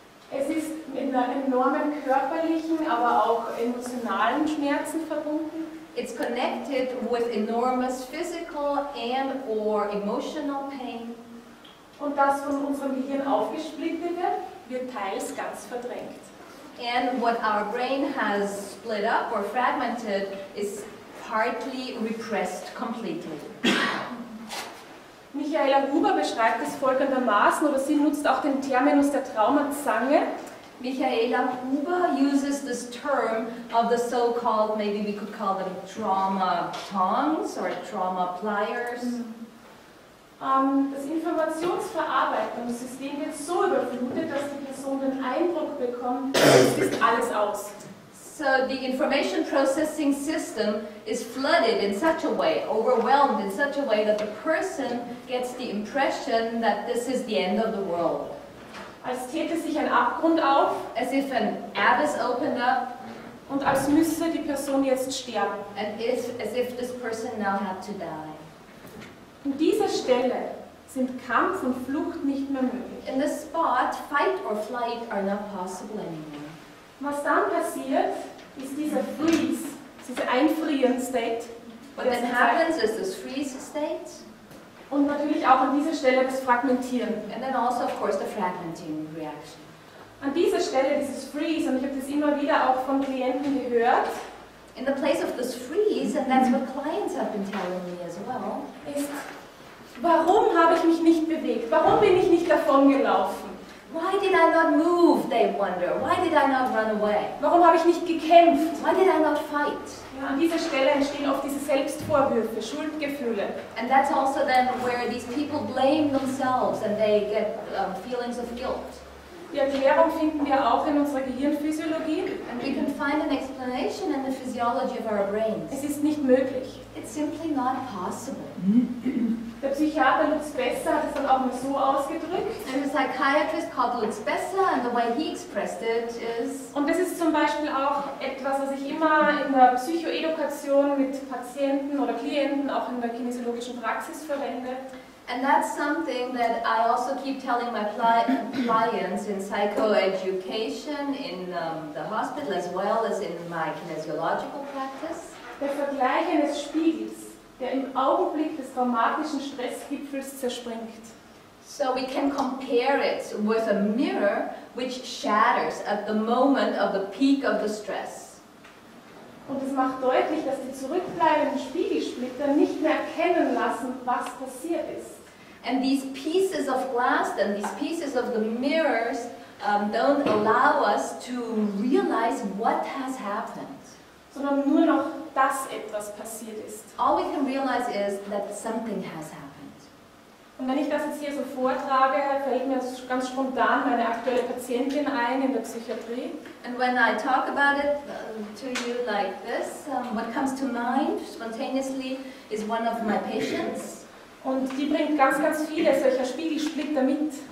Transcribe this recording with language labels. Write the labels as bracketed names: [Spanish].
[German] Es ist mit einem enormen körperlichen, aber auch emotionalen Schmerzen verbunden. [English] It's connected with enormous physical and or emotional pain. [German] Und das von unserem Gehirn aufgesplittet wird, wird teils ganz verdrängt. [English] And what our brain has split up or fragmented is partly repressed completely. [German] Michaela Huber beschreibt es folgendermaßen, oder sie nutzt auch den Terminus der Traumazange. [English] Michaela Huber uses this term of the so-called, maybe we could call them trauma tongs or trauma pliers. [German] Das Informationsverarbeitungssystem wird so überflutet, dass die Person den Eindruck bekommt, es ist alles aus. [English] So the information processing system is flooded in such a way, overwhelmed in such a way that the person gets the impression that this is the end of the world. [German] Als täte sich ein Abgrund auf, [English] as if an abyss opened up, [German] und als müsse die Person jetzt sterben, [English] and if, as if this person now had to die. [German] An dieser Stelle sind Kampf und Flucht nicht mehr möglich. [English] In this spot, fight or flight are not possible anymore. [German] Was dann passiert, ist dieser Freeze, dieser Einfrieren-State. [English] What then happens is this Freeze-State. [German] Und natürlich auch an dieser Stelle das Fragmentieren. [English] And then also, of course, the fragmenting reaction. [German] An dieser Stelle dieses Freeze, und ich habe das immer wieder auch von Klienten gehört. [English] In the place of this freeze, and that's what clients have been telling me as well. [German] Ist, warum habe ich mich nicht bewegt? Warum bin ich nicht davon gelaufen? [English] Why did I not move, they wonder. Why did I not run away? [German] Warum habe ich nicht gekämpft? [English] Why did I not fight? [German] An dieser Stelle entstehen oft diese Selbstvorwürfe, Schuldgefühle. [English] And that's also then where these people blame themselves and they get feelings of guilt. [German] Die Erklärung finden wir auch in unserer Gehirnphysiologie. [English] And we can find an explanation in the physiology of our brains. [German] Es ist nicht möglich. [English] It's simply not possible. [German] Der Psychiater Lutz Besser hat es dann auch mal so ausgedrückt. [English] And the psychiatrist called Lutz Besser, and the way he expressed it is... [German] Und das ist zum Beispiel auch etwas, was ich immer in der Psychoedukation mit Patienten oder Klienten, auch in der kinesiologischen Praxis verwende. [English] And that's something that I also keep telling my clients in psychoeducation, in the hospital, as well as in my kinesiological practice. [German] Der Vergleich eines Spiegels, der im Augenblick des traumatischen Stressgipfels zerspringt. [English] So we can compare it with a mirror which shatters at the moment of the peak of the stress. [German] Und es macht deutlich, dass die zurückbleibenden Spiegelsplitter nicht mehr erkennen lassen, was passiert ist. [English] And these pieces of glass and these pieces of the mirrors don't allow us to realize what has happened. [German] Sondern nur noch, dass etwas passiert ist. [English] All we can realize is that something has happened. [German] Und wenn ich das jetzt hier so vortrage, fällt mir ganz spontan meine aktuelle Patientin ein in der Psychiatrie. [English] And when I talk about it to you like this, what comes to mind spontaneously is one of my patients. [German] Und die bringt ganz, ganz viele solcher Spiegelsplitter mit.